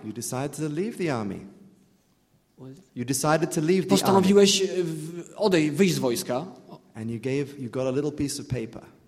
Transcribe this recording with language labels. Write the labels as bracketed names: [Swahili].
[English] you decided to leave the army. You decided to leave the [Polish] postanowiłeś wyjść z wojska. [English] And you gave, you got a little piece of paper.